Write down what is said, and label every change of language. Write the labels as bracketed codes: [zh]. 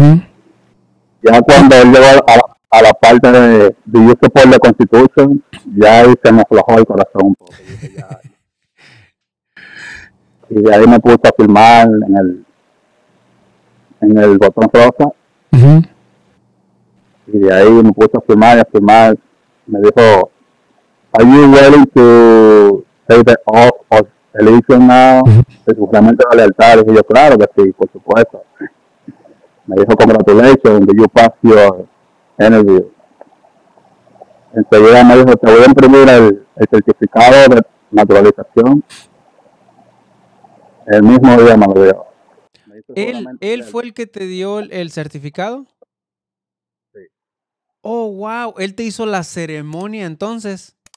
[es] Uh-huh. Ya cuando él llegó a la parte de [en] Do you support the Constitution, [es] ya ahí se me aflojó el corazón un poco. Y de ahí me puse a firmar en el botón rosa. Uh-huh. Y de ahí me puse a firmar y a firmar. Me dijo, [en] are you willing to take the oath of allegiance now? [es] Es justamente la lealtad. Y yo, claro que sí, por supuesto. Me dijo, [en] congratulations, did you pass your interview? [es] Enseguida me dijo, te voy a imprimir el certificado de naturalización. El mismo día me lo dio. ¿Él fue el que te dio el certificado? Sí. Oh, wow. Él te hizo la ceremonia entonces.